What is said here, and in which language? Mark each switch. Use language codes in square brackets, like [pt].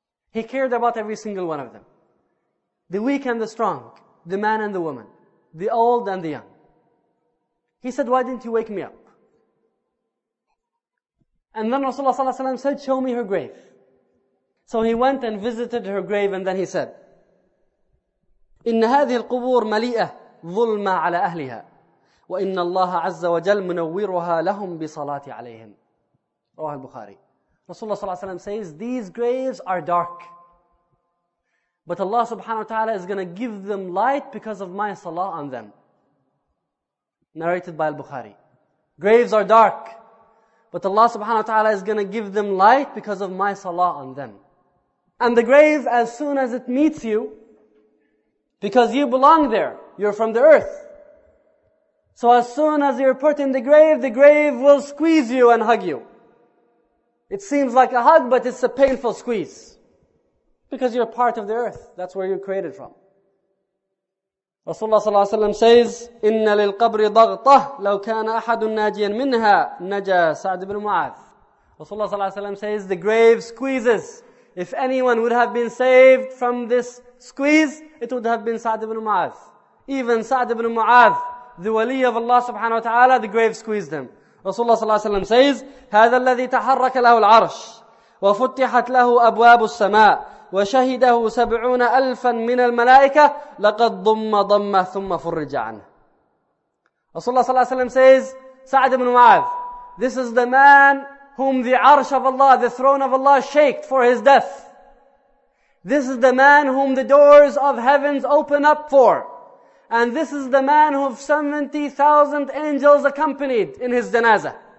[en] He cared about every single one of them. The weak and the strong, the man and the woman, the old and the young. He said, why didn't you wake me up? And then Rasulullah صلى الله عليه وسلم said, show me her grave. So he went and visited her grave and then he said, [ar] إِنَّ هَذِهِ الْقُبُورِ مَلِيئَةٌ ظُلْمًا عَلَى أَهْلِهَا وَإِنَّ اللَّهَ عَزَّ وَجَلَّ مُنَوِّرُهَا لَهُمْ بِصَلَاتِ عَلَيْهِمْ. رواه البخاري. [en] Rasulullah صلى الله عليه وسلم says, these graves are dark. But Allah subhanahu wa ta'ala is going to give them light because of my salah on them. Narrated by al-Bukhari. Graves are dark. But Allah subhanahu wa ta'ala is going to give them light because of my salah on them. And the grave, as soon as it meets you, because you belong there, you're from the earth. So as soon as you're put in the grave will squeeze you and hug you. It seems like a hug, but it's a painful squeeze. Because you're part of the earth. That's where you're created from. [ar] Rasulullah صلى الله عليه وسلم says, إِنَّ لِلْقَبْرِ ضَغْطَهُ لَوْ كَانَ أَحَدٌ نَاجِيًا مِنْهَا نَجَى سَعْدِ بْنُ مُعَاذ. [en] Rasulullah صلى الله عليه وسلم says, the grave squeezes. If anyone would have been saved from this squeeze, it would have been سَعْدِ بْنُ مُعَاذ. Even سَعْدِ بْنُ مُعَاذ, the wali of Allah subhanahu wa ta'ala, the grave squeezed him. [ar] Rasulullah صلى الله عليه وسلم says, هذا الذي تحرك له العرش وفتحت له أبواب السماء وشهده 70,000 من الملائكة لقد ضم ضمة ثم فرج عنه. [en] Rasulullah صلى الله عليه وسلم says, سعد بن معاذ, this is the man whom the arsh of Allah, the throne of Allah shaked for his death. This is the man whom the doors of heavens open up for. And this is the man who 70,000 angels accompanied in his janazah.